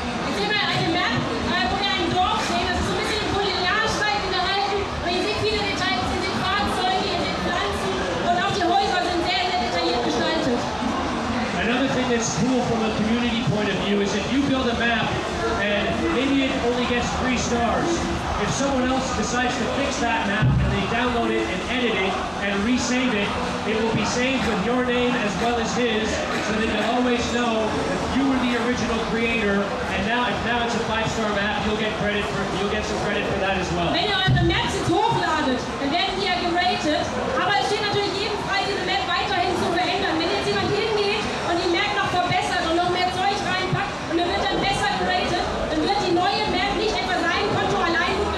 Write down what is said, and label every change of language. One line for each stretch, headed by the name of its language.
German: Ich sehe mal eine Map, wo wir ein Dorf sehen. Das ist so ein bisschen Kolonialstreifen gehalten. Und ihr seht viele Details in den Fahrzeugen, in den Pflanzen. Und auch die Häuser sind sehr, sehr detailliert gestaltet.
English: Another thing that's cool from a community point of view is if you build a map and maybe it only gets 3 stars. If someone else decides to fix that map and they download it and edit it and resave it, it will be saved with your name as well as his, so that they'll always know that you were the original creator. And now, if now it's a 5-star map, you'll get some credit for that as well.
German: Wenn ihr eure Maps jetzt hochladet, dann werden die ja geratet. Aber es steht natürlich jedem frei, diese Map weiterhin zu verändern. Wenn jetzt jemand hingeht und die Map noch verbessert und noch mehr Zeug reinpackt und er wird dann besser geratet, dann wird die neue Map nicht etwa sein Konto allein.